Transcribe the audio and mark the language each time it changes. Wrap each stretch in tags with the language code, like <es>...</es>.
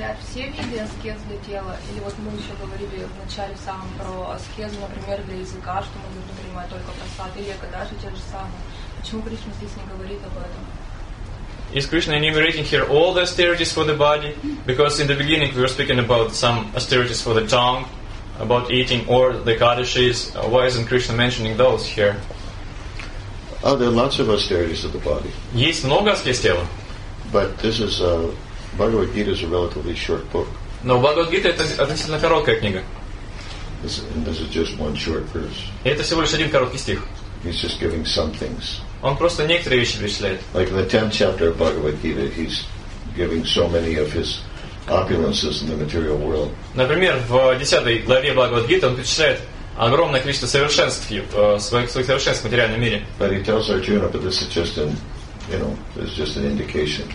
<ru>Все виды аскез для тела, или вот мы еще говорили в начале самом про аскез, например, для языка, что мы будем принимать только просад, или экадаши те же самые. Почему Кришна здесь не говорит об этом?</ru> <en>Is Krishna enumerating here all the austerities for the body? Because in the beginning we were speaking about some austerities for the tongue, about eating or the kadashis. Why isn't Krishna mentioning those here? Oh, there are lots of austerities of the body.</en> <ru>Есть много аскез тела.</ru> <en>But this is a Bhagavad Gita is a relatively short book.</en> <ru>Но Bhagavad Gita это относительно короткая книга.</ru> <en>This is just one short verse.</en> <ru>И это всего лишь один короткий стих.</ru> <en>He's just giving some things.</en> <ru>Он просто некоторые вещи перечисляет.</ru> <en>Like in the 10th chapter of Bhagavad Gita, he's giving so many of his opulences in the material world.</en> <ru>Например, в 10 главе Bhagavad Gita он перечисляет огромное количество совершенств, своих совершенств в материальном мире.</ru> <en>But he tells Arjuna, but this is just an, you know, this is just an indication.</en>